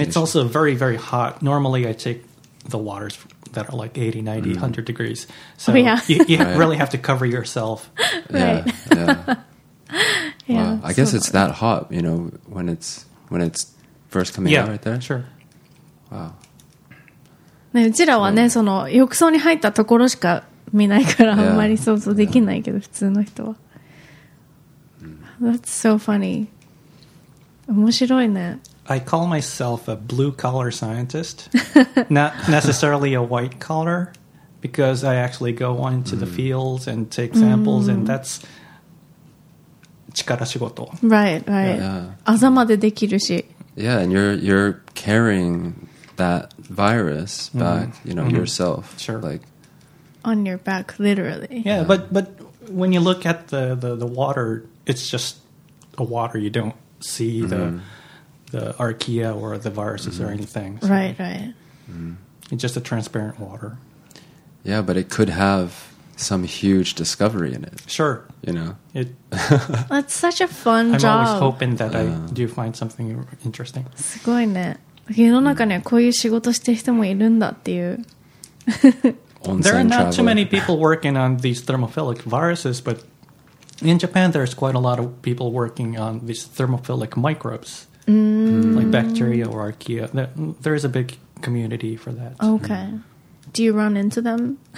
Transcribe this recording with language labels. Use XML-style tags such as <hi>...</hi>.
<en>And it's also very, very hot. Normally, I take the waters that are like 80, 90, 100 degrees. So you right. really have to cover yourself. Yeah. Wow. I guess it's that hot, you know, when it's first coming out right there. Yeah, sure. Wow.</en> <ja>ね、うちらはね、その浴槽に入ったところしか見ないからあんまり想像できないけど、普通の人は。</ja> <en>That's so funny.</en> <ja>面白いね。</ja> <en>I call myself a blue-collar scientist, not necessarily a white-collar, because I actually go on into the fields and take samples, and that's 力仕事. Right. Yeah. あざまでできるし. Yeah, and you're carrying that virus back, you know, yourself. Sure. Like on your back, literally. Yeah, but when you look at the water, it's just a water. You don't see the archaea or the viruses or anything. So right. It's just a transparent water. Yeah, but it could have some huge discovery in it. Sure. You know? That's such a fun I'm job. I'm always hoping that I do find something interesting.</en> <ja>すごいね。世の中にはこういう仕事してる人もいるんだっていう。</ja> <en>There are not too many people working on these thermophilic viruses, but in Japan there's quite a lot of people working on these thermophilic microbes. Like bacteria or archaea. There is a big community for that. Okay. Do you run into them?</en>